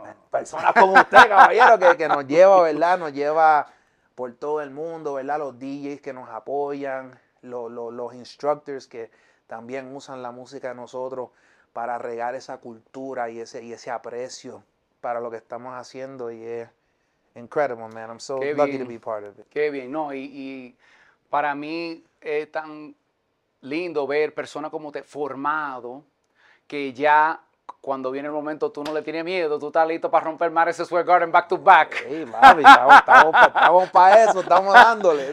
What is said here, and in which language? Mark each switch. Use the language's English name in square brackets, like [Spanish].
[Spanish] personas como usted, caballero, que nos lleva, ¿verdad? Nos lleva por todo el mundo, ¿verdad? Los DJs que nos apoyan, los instructors que también usan la música de nosotros para regar esa cultura y ese aprecio para lo que estamos haciendo. Y es [English] incredible, man. I'm so lucky to be part of it. [Spanish] Qué bien. No, y para mí es tan lindo ver personas como usted formado que ya... cuando viene el momento, tú no le tienes miedo, tú estás listo para romper más ese Square Garden [English] back to back. [Spanish] Hey, mami, estamos para eso, estamos dándole.